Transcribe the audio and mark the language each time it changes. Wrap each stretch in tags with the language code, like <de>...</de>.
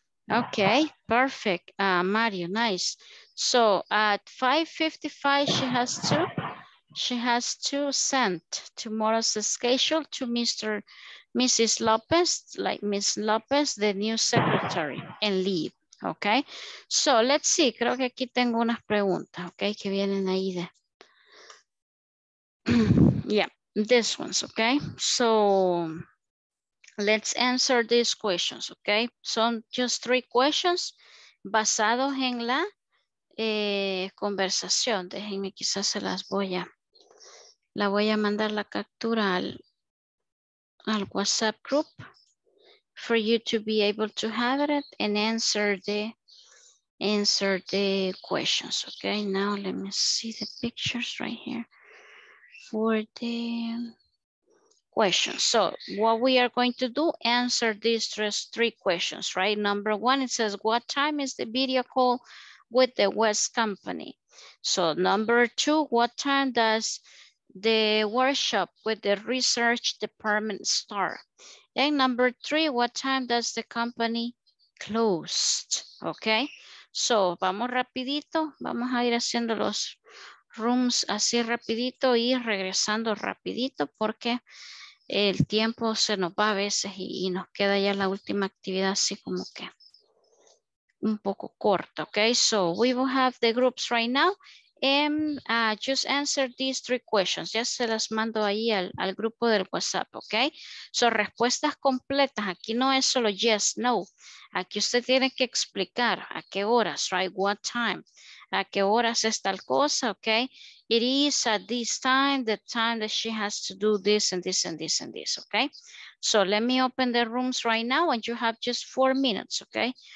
<en>Okay, perfect, Mario, nice. So at 5:55, she has to send tomorrow's schedule to Mrs. Lopez, like Miss Lopez, the new secretary, and leave, okay? So let's see,</en> <es>creo que aquí tengo unas preguntas, okay, que vienen ahí de...</es> <en>yeah, this one's, okay? So... let's answer these questions, okay?</en> <es>Son</es> <en>just 3 questions</en> <es>basados en la conversación. Déjenme, quizás se las voy a... la voy a mandar la captura al</es> <en>WhatsApp group for you to be able to have it and answer the questions, okay? Now let me see the pictures right here for the... questions. So what we are going to do, answer these 3 questions, right? Number one, it says, what time is the video call with the West company? So number two, what time does the workshop with the research department start? And number three, what time does the company closed?</en> <es>Okay, so vamos rapidito, vamos a ir haciendo los rooms así rapidito y regresando rapidito porque el tiempo se nos va a veces y nos queda ya la última actividad así como que un poco corta, okay?</es> <en>So we will have the groups right now and just answer these 3 questions.</en> <es>Ya se las mando ahí al grupo del WhatsApp, okay? So respuestas completas, aquí no es solo yes, no. Aquí usted tiene que explicar a qué horas, right?</es> <en>What time,</en> <es>a qué horas es tal cosa, okay?</es> <en>It is at this time, the time that she has to do this and this and this and this, okay? So let me open the rooms right now and you have just 4 minutes, okay?</en>